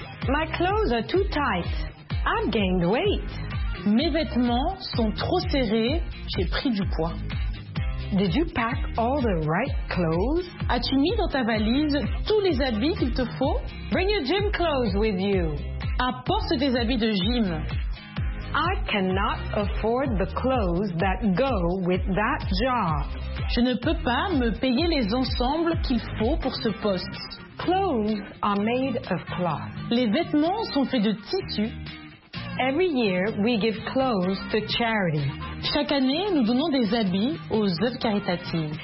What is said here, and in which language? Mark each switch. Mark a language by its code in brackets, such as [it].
[en] My clothes are too tight. I've gained weight. [fr] Mes vêtements sont trop serrés. J'ai pris du poids. [en] Did you pack all the right clothes? [fr] As-tu mis dans ta valise tous les habits qu'il te faut? [en] Bring your gym clothes with you. [fr] Apporte des habits de gym. [en] I cannot afford the clothes that go with that job. [fr] Je ne peux pas me payer les ensembles qu'il faut pour ce poste. [en] Clothes are made of cloth. [fr] Les vêtements sont faits de tissu. [en] Every year we give clothes to charity. [fr] Chaque année, nous donnons des habits aux œuvres caritatives.